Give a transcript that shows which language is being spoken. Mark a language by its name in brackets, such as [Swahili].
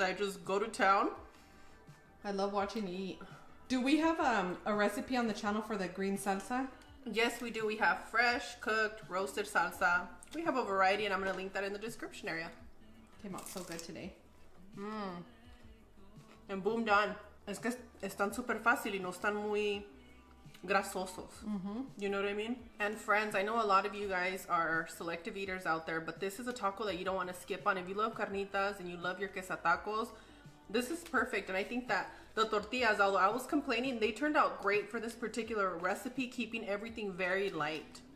[English] I just go to town. I love watching you eat. Do we have a recipe on the channel for the green salsa? Yes, we do. We have fresh, cooked, roasted salsa. We have a variety, and I'm going to link that in the description area. Came out so good today. Mmm. And boom, done. [Spanish] Es que están super fácil y no están muy grasosos. Mm-hmm. [English] You know what I mean? And friends, I know a lot of you guys are selective eaters out there, but this is a taco that you don't want to skip on. If you love carnitas and you love your quesatacos, this is perfect. And I think that the tortillas, although I was complaining, they turned out great for this particular recipe, keeping everything very light.